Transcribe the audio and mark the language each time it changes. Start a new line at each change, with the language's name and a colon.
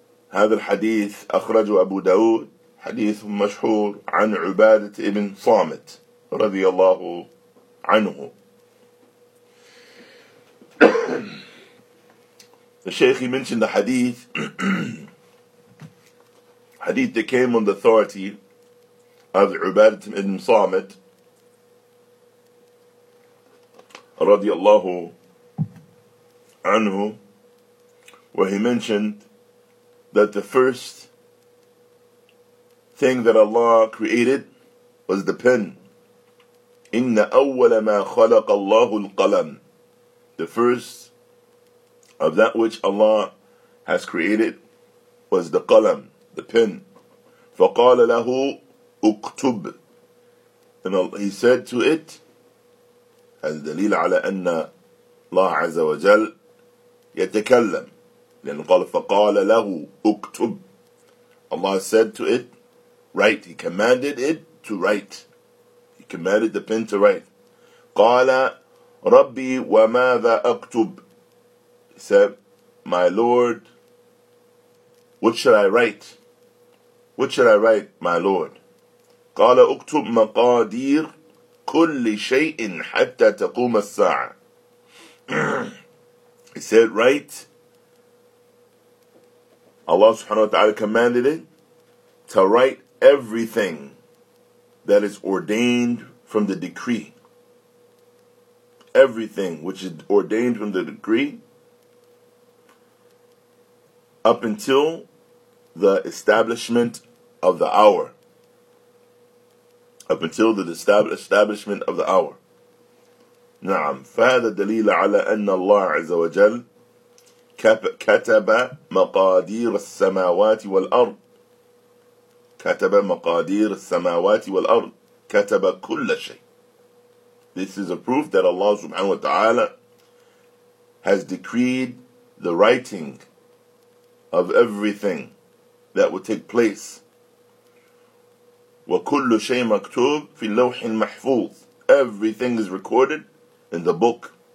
Arabic: هذا الحديث أخرجه أبو داود حديث مشهور عن عبادة ابن صامت رضي الله عنه.
English: الشيخ mentioned the hadith hadith that came on the authority of عبادة ابن صامت رضي الله عنه, where he mentioned that the first thing that Allah created was the pen.
Arabic: Inna awwala ma khalaqa Allahu al-qalam.
English: The first of that which Allah has created was the qalam, the pen.
Arabic: Faqala lahu uktub.
English: And he said to it,
Arabic: hadha dalil ala anna Allah azza wa jal yatakallam. Then فَقَالَ لَهُ أُكْتُبْ.
English: Allah said to it, write. He commanded it to write. He commanded the pen to write.
Arabic: قَالَ رَبِّي وَمَاذَا أَكْتُبْ.
English: He said, my Lord, what should I write? What should I write, my Lord?
Arabic: قَالَ أُكْتُبْ مَقَادِيرْ كُلِّ شَيْءٍ حَتَّى تَقُومَ السَّاعَةِ.
English: He said, write. Allah subhanahu wa ta'ala commanded it to write everything that is ordained from the decree. Everything which is ordained from the decree up until the establishment of the hour. Up until the establishment of the hour.
Arabic: Na'am. فَهَذَا دَلِيلَ عَلَىٰ أَنَّ اللَّهَ عَزَّ وَجَلَّ كتب مقادير السماوات والأرض كتب مقادير السماوات والأرض كتب كل شيء.
English: This is a proof that Allah subhanahu wa ta'ala has decreed the writing of everything that will take place.
Arabic: وكل شيء مكتوب في اللوح المحفوظ.
English: Everything is recorded in the book.